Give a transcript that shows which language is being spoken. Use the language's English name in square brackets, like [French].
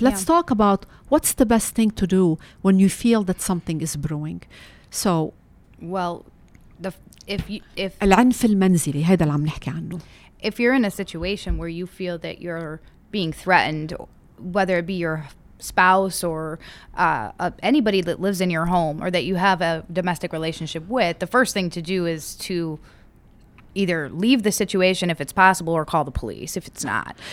[English] Let's talk about what's the best thing to do when you feel that something is brewing. So, well, the if [Arabic] العنف المنزلي هذا اللي عم نحكي عنه. [English] If you're in a situation where you feel that you're being threatened, whether it be your spouse or anybody that lives in your home or that you have a domestic relationship with, the first thing to do is to either leave the situation if it's possible or call the police if it's not.